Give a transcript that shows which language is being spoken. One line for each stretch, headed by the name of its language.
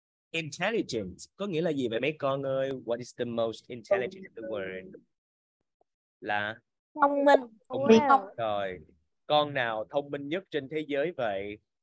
Vietnamese: Intelligent có nghĩa là gì vậy mấy con ơi?
English: What is the most intelligent in the world?
Vietnamese: Là thông minh. Thông minh. Thông minh. Rồi, con nào thông minh nhất trên thế giới vậy?